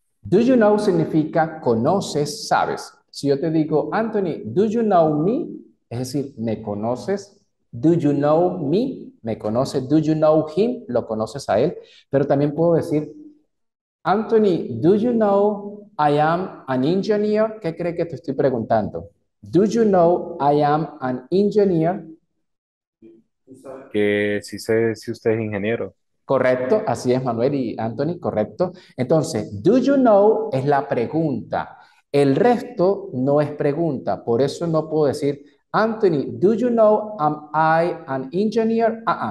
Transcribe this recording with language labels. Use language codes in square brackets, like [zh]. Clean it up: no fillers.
[es] Do you know significa conoces, sabes. Si yo te digo, Anthony, [en] do you know me? [es] Es decir, ¿me conoces? [en] Do you know me? [es] me conoce. [en] Do you know him? [es] Lo conoces a él. Pero también puedo decir, [en] Anthony, do you know I am an engineer? [es] ¿Qué cree que te estoy preguntando? [en] Do you know I am an engineer? [es] Que si sé si usted es ingeniero. Correcto, así es Manuel y Anthony, correcto. Entonces, do you know es la pregunta. El resto no es pregunta, por eso no puedo decir, Anthony, [en] do you know am I an engineer?